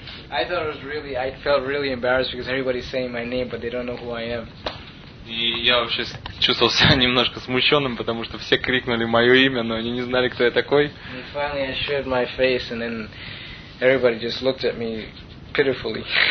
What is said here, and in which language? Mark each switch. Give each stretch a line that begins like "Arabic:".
English: I thought it was really, I felt really embarrassed because everybody's saying my name, but they don't know who I am.
Russian: И я вообще чувствовал себя немножко смущенным, потому что все крикнули мое имя, но они не знали, кто я такой.
English: And finally I showed my face and then everybody just looked at me pitifully.